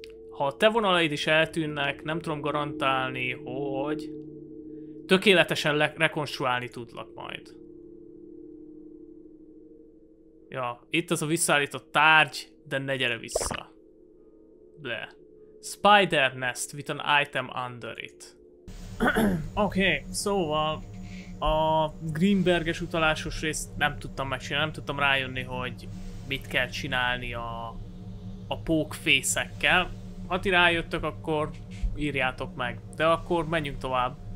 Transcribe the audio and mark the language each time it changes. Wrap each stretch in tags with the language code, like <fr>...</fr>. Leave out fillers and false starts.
<hu>Ha a te vonalaid is eltűnnek, nem tudom garantálni, hogy tökéletesen rekonstruálni tudlak majd. Ja, itt az a visszaállított tárgy, de ne gyere vissza. Le.</hu> <en>Spider nest with an item under it.</en> <hu>Okay, szóval a Greenberges utalásos részt nem tudtam megcsinálni, nem tudtam rájönni, hogy mit kell csinálni a pókfészekkel. Ha ti rájöttök, akkor írjátok meg. De akkor menjünk tovább.</hu>